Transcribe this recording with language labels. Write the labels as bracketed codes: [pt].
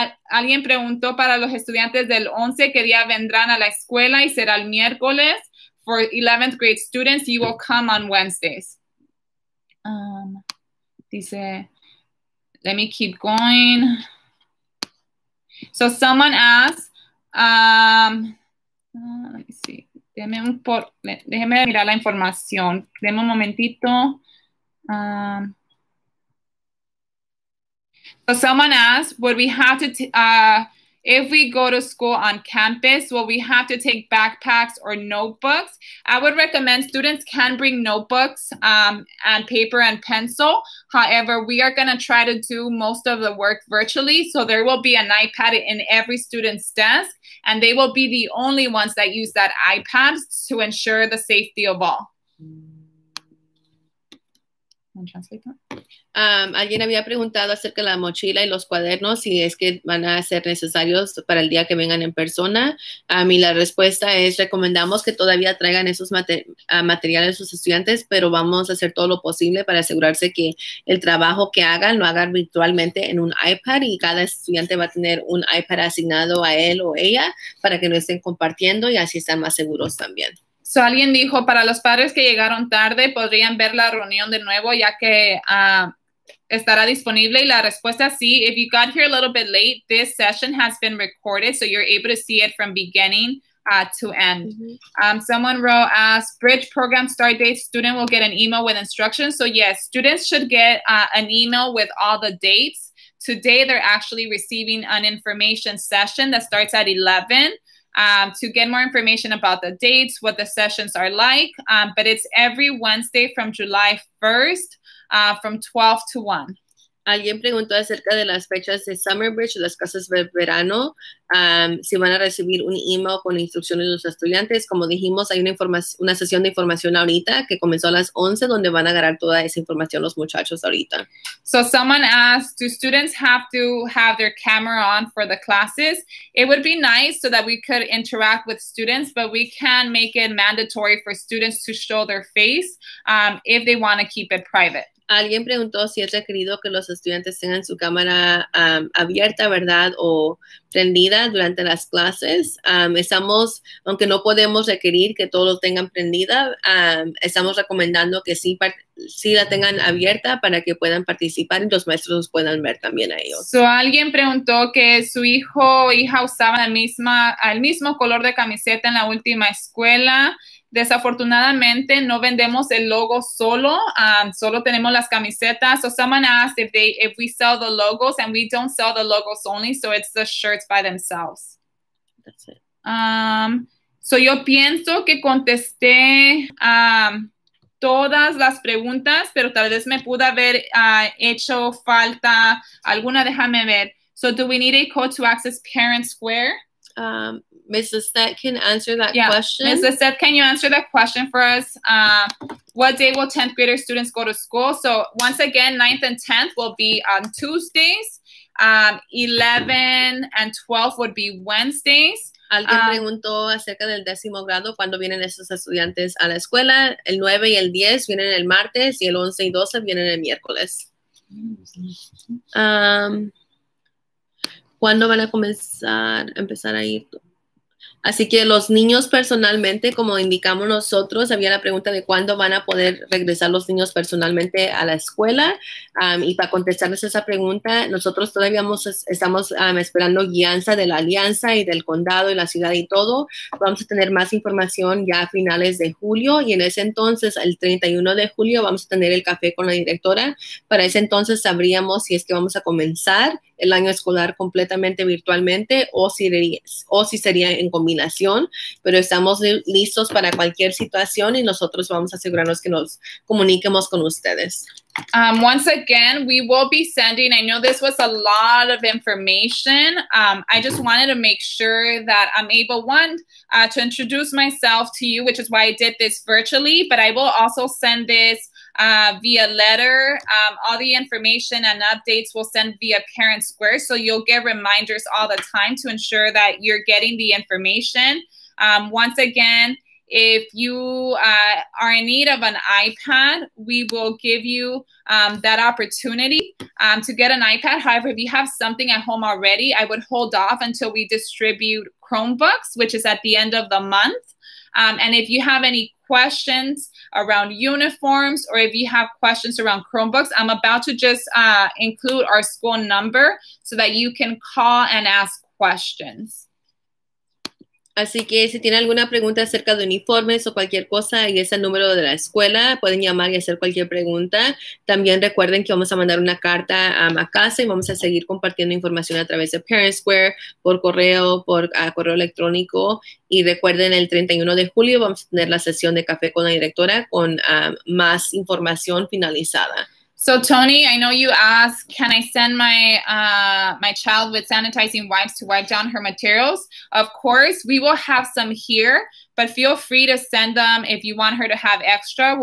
[es] Alguien preguntó para los estudiantes del 11, ¿qué día vendrán a la escuela y será el miércoles? [en] For 11th grade students, you will come on Wednesdays. [es] Dice, [en] let me keep going. So someone asked, let me see, [es] déjeme mirar la información, déjeme un momentito. [en] So someone asked, would we have to If we go to school on campus, well, we have to take backpacks or notebooks. I would recommend students can bring notebooks and paper and pencil. However, we are going to try to do most of the work virtually. So there will be an iPad in every student's desk, and they will be the only ones that use that iPad to ensure the safety of all. [es] Alguien había preguntado acerca de la mochila y los cuadernos si es que van a ser necesarios para el día que vengan en persona. Y la respuesta es, recomendamos que todavía traigan esos materiales a sus estudiantes, pero vamos a hacer todo lo posible para asegurarse que el trabajo que hagan lo hagan virtualmente en un iPad y cada estudiante va a tener un iPad asignado a él o ella para que lo estén compartiendo y así están más seguros también. So alguien dijo, para los padres que llegaron tarde, podrían ver la reunión de nuevo ya que estará disponible. Y la respuesta sí. [en] If you got here a little bit late, this session has been recorded, so you're able to see it from beginning to end. Mm-hmm. Someone wrote, asked, bridge program start date, student will get an email with instructions. So yes, students should get an email with all the dates. Today, they're actually receiving an information session that starts at 11. To get more information about the dates, what the sessions are like, but it's every Wednesday from July 1st, from 12 to 1. [es] Alguien preguntó acerca de las fechas de Summer Bridge, las clases de verano, si van a recibir un email con instrucciones de los estudiantes. Como dijimos, hay una sesión de información ahorita que comenzó a las 11, donde van a agarrar toda esa información los muchachos ahorita. [en] So someone asked, do students have to have their camera on for the classes? It would be nice so that we could interact with students, but we can make it mandatory for students to show their face if they want to keep it private. [es] Alguien preguntó si es requerido que los estudiantes tengan su cámara abierta, ¿verdad? O prendida durante las clases. Estamos, aunque no podemos requerir que todos lo tengan prendida, estamos recomendando que sí, sí la tengan abierta para que puedan participar y los maestros los puedan ver también a ellos. So, alguien preguntó que su hijo o hija usaba el mismo color de camiseta en la última escuela. Desafortunadamente, no vendemos el logo solo, solo tenemos las camisetas. [en] So someone asked if we sell the logos, and we don't sell the logos only, so it's the shirts by themselves. That's it. [es] So yo pienso que contesté todas las preguntas, pero tal vez me pudo haber hecho falta alguna, déjame ver. [en] So do we need a code to access Parent Square? Ms. Lissette can answer that question. Ms. Lissette, can you answer that question for us? What day will 10th grader students go to school? So once again, 9th and 10th will be on Tuesdays. 11 and 12 would be Wednesdays. [es] Alguien preguntó acerca del décimo grado, ¿cuándo vienen esos estudiantes a la escuela? El 9 y el 10 vienen el martes y el 11 y 12 vienen el miércoles. ¿Cuándo van a empezar a ir? Así que los niños personalmente, como indicamos nosotros, había la pregunta de cuándo van a poder regresar los niños personalmente a la escuela. Y para contestarles esa pregunta, nosotros todavía estamos esperando guianza de la alianza y del condado y la ciudad y todo. Vamos a tener más información ya a finales de julio. Y en ese entonces, el 31 de julio, vamos a tener el café con la directora. Para ese entonces sabríamos si es que vamos a comenzar el año escolar completamente virtualmente o si sería en combinación, pero estamos listos para cualquier situación y nosotros vamos a asegurarnos que nos comuniquemos con ustedes. [en] Once again, we will be sending, I know this was a lot of information. I just wanted to make sure that I'm able, one, to introduce myself to you, which is why I did this virtually, but I will also send this via letter. All the information and updates will send via Parent Square, so you'll get reminders all the time to ensure that you're getting the information. Once again, if you are in need of an iPad, we will give you that opportunity to get an iPad. However, if you have something at home already, I would hold off until we distribute Chromebooks, which is at the end of the month. And if you have any questions around uniforms or if you have questions around Chromebooks, I'm about to just include our school number so that you can call and ask questions. [es] Así que si tienen alguna pregunta acerca de uniformes o cualquier cosa y es el número de la escuela, pueden llamar y hacer cualquier pregunta. También recuerden que vamos a mandar una carta a casa y vamos a seguir compartiendo información a través de ParentSquare, por correo, por correo electrónico. Y recuerden, el 31 de julio vamos a tener la sesión de café con la directora con más información finalizada. [en] So Tony, I know you asked, can I send my child with sanitizing wipes to wipe down her materials? Of course, we will have some here, but feel free to send them if you want her to have extra.